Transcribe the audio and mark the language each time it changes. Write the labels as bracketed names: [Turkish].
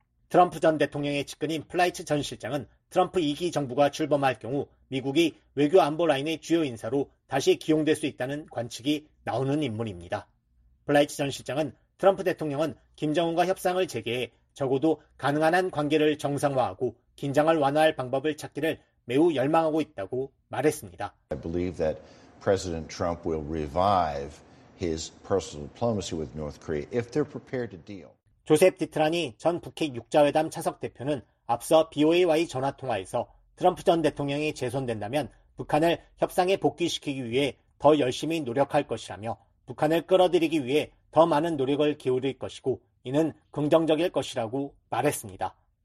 [Korean] 트럼프 전 대통령의 측근인 플라이츠 전 실장은 트럼프 2기 정부가 출범할 경우 미국이 외교 안보 라인의 주요 인사로 다시 기용될 수 있다는 관측이 나오는 인물입니다. 플라이츠 전 실장은 트럼프 대통령은 김정은과 협상을 재개해 적어도 가능한 한 관계를 정상화하고 긴장을 완화할 방법을 찾기를 매우 열망하고 있다고 말했습니다. [English] I believe that President Trump will revive his personal diplomacy with North Korea if they're prepared to deal. [Korean] 조셉 디트라니 전 북핵 육자회담 차석 대표는 앞서 BOA와의 전화 통화에서 트럼프 전 대통령이 재선된다면 북한을 협상에 복귀시키기 위해 더 열심히 노력할 것이라며 북한을 끌어들이기 위해 더 많은 노력을 기울일 것이고 이는 긍정적일 것이라고 말했습니다.